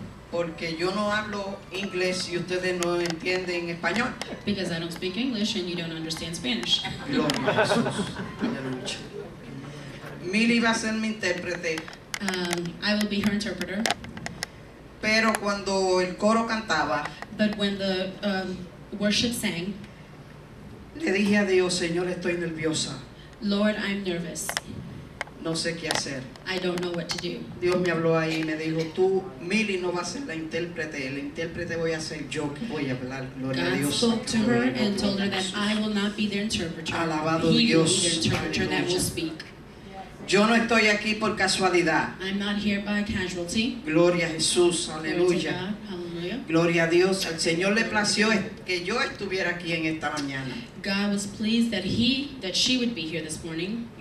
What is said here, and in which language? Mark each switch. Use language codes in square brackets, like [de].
[es] Porque yo no hablo inglés y ustedes no entienden español. [en] Because I don't speak English and you don't understand Spanish. [es] Gloria a Jesús. Aleluya. Milly va a ser mi intérprete. [en] I will be her interpreter. [es] Pero cuando el coro cantaba, [en] but when the worship sang, [es] le dije a Dios, Señor, estoy nerviosa. [en] Lord, I'm nervous. [es] No sé qué hacer. [en] I don't know what to do. [es] Dios me habló ahí y me dijo, tú, Milly, no vas a ser la intérprete. El intérprete voy a ser yo que voy a hablar. Gloria [en] God [es] a Dios. [en] God spoke to her and told her that I will not be their interpreter. [es] Alabado [en] He [es] Dios. [en] Will be their interpreter. [es] Aleluya. [en] That will speak. [es] Yo no estoy aquí por casualidad. [en] I'm not here by casualty. [es] Gloria a Jesús. Aleluya. Gloria a Dios. Al Señor le plació que yo estuviera aquí en esta mañana. [en] God was pleased that he, that she would be here this morning.